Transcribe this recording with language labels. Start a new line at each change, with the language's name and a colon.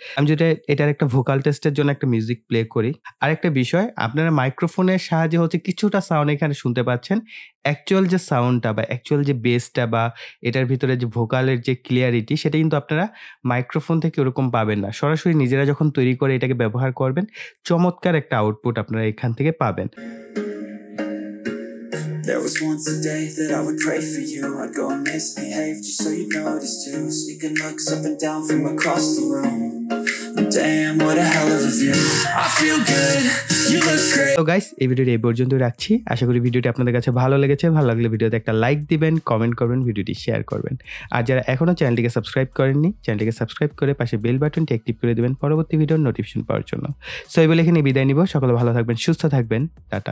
Bangla: আমি যদি এটার একটা ভোকাল টেস্টের জন্য একটা মিউজিক প্লে করি। আর একটা বিষয়, আপনারা মাইক্রোফোনের সাহায্যে হচ্ছে কিছুটা সাউন্ড এখানে শুনতে পাচ্ছেন, অ্যাকচুয়াল যে সাউন্ডটা বা অ্যাকচুয়াল যে বেসটা বা এটার ভিতরে যে ভোকালের যে ক্লিয়ারিটি সেটা কিন্তু আপনারা মাইক্রোফোন থেকে ওরকম পাবেন না। সরাসরি নিজেরা যখন তৈরি করে এটাকে ব্যবহার করবেন চমৎকার একটা আউটপুট আপনারা এখান থেকে পাবেন।
English: There was once a day that I would pray for you. I'd go and misbehave just so you'd notice too. Sneaking looks up and down from across the room. Damn, what a hell of a view. I feel good.
Bangla: তো guys, এই ভিডিওটি এই পর্যন্ত রাখছি। আশা করি ভিডিওটি আপনাদের কাছে ভালো লেগেছে। ভালো লাগলে ভিডিওতে একটা লাইক দিবেন, কমেন্ট করবেন, ভিডিওটি শেয়ার করবেন। আর যারা এখনও চ্যানেলটিকে সাবস্ক্রাইব করেননি চ্যানেলটিকে সাবস্ক্রাইব করে পাশে বেল বাটনটি অ্যাক্টিভ করে দেবেন পরবর্তী ভিডিওর নোটিফিকেশন পাওয়ার জন্য। সো এই বলে এখানে বিদায় নিব, সকলে ভালো থাকবেন, সুস্থ থাকবেন, টাটা।